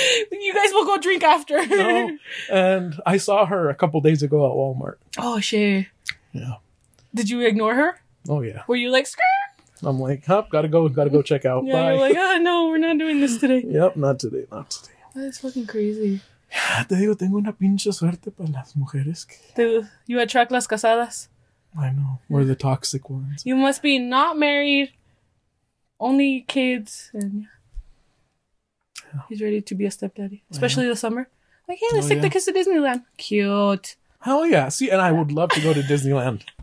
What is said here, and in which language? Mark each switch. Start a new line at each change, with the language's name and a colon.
English: You guys will go drink after. No, and I saw her a couple days ago at Walmart. Oh, shit. Yeah. Did you ignore her? Oh, yeah. Were you like, "Skrr"? I'm like, "Hop, gotta go check out." Yeah, bye. You're like, "Ah, no, we're not doing this today." Yep, not today. That is fucking crazy.
Spanish: Te digo, tengo una pinche suerte para las mujeres.
English: You attract
Spanish: las casadas.
English: I know. We're the toxic ones. You must be not married, only kids, and... He's ready to be a stepdaddy, especially the summer. Like, "Hey, let's take the kids to Disneyland." Cute. Hell yeah. See, and I would love to go to Disneyland.